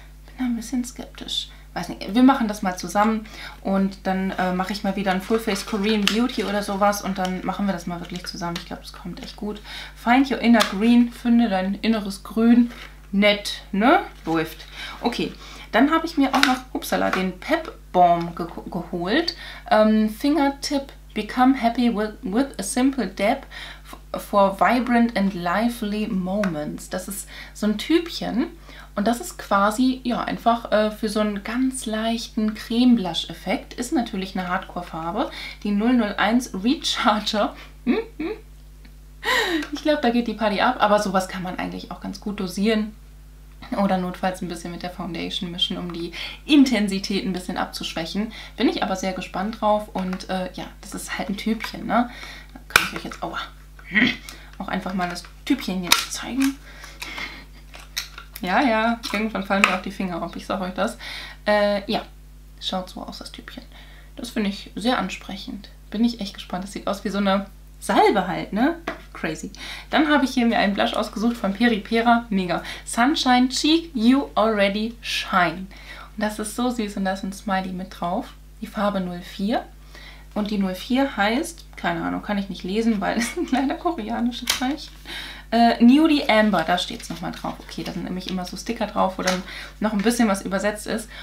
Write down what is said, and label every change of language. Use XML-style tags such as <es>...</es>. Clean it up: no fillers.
<de>Bin da ein bisschen skeptisch. Weiß nicht, wir machen das mal zusammen und dann mache ich mal wieder ein Fullface Korean Beauty oder sowas und dann machen wir das mal wirklich zusammen. Ich glaube, es kommt echt gut.</de> <en>Find your inner green,</en> <de>finde dein inneres Grün. Nett, ne? Läuft. Okay, dann habe ich mir auch noch, upsala, den Pep Balm geholt.</de> <en>Fingertip, become happy with a simple dab for vibrant and lively moments.</en> <de>Das ist so ein Typchen. Und das ist quasi, ja, einfach für so einen ganz leichten Creme-Blush-Effekt. Ist natürlich eine Hardcore-Farbe. Die 001 Recharger. Ich glaube, da geht die Party ab. Aber sowas kann man eigentlich auch ganz gut dosieren. Oder notfalls ein bisschen mit der Foundation mischen, um die Intensität ein bisschen abzuschwächen. Bin ich aber sehr gespannt drauf. Und ja, das ist halt ein Typchen, ne? Da kann ich euch jetzt auch einfach mal das Typchen jetzt zeigen. Ja, ja, irgendwann fallen mir auch die Finger auf, ich sag euch das. Ja, schaut so aus, das Typchen. Das finde ich sehr ansprechend. Bin ich echt gespannt. Das sieht aus wie so eine Salbe halt, ne? Crazy. Dann habe ich hier mir einen Blush ausgesucht von Peripera. Mega.</de> <en>Sunshine Cheek, you already shine.</en> <de>Und das ist so süß und da ist ein Smiley mit drauf. Die Farbe 04. Und die 04 heißt, keine Ahnung, kann ich nicht lesen, weil es ist ein kleiner koreanisches Zeichen. Nudie Amber, da steht es nochmal drauf. Okay, da sind nämlich immer so Sticker drauf, wo dann noch ein bisschen was übersetzt ist.</de>